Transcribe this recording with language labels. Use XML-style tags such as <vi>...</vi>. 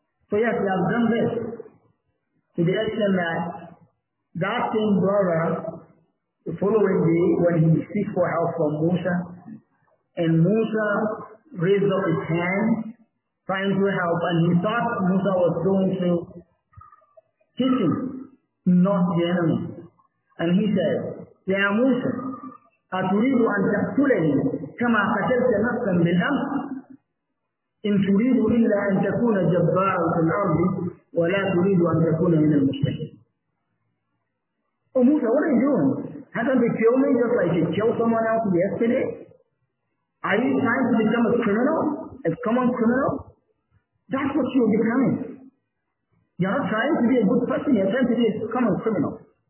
<en>So yes, we have done this. To the extent that same brother, the following day, when he seeks for help from Musa, and Musa raised up his hand, trying to help, and he thought Musa was going to kiss him, not the enemy. And he said, Ya Musa,</en> <ar>أَتُرِيدُ أَنْ تَقْتُلَنِي كَمَا قَتَلْتَ نَفْسًا بِالْأَمْسِ إِنْ تُرِيدُ إِلَّا أَنْ تَكُونَ جَبَّارًا فِي الْأَرْضِ وَلَا تُرِيدُ أَنْ تَكُونَ مِنَ الْمُشْرِكِينَ.</ar> <en>Oh Musa, what are you doing? Haven't they killed me just like they killed someone else yesterday? Are you trying to become a criminal? A common criminal? That's what you're becoming. You're not trying to be a good person, you're trying to be a common criminal.</en>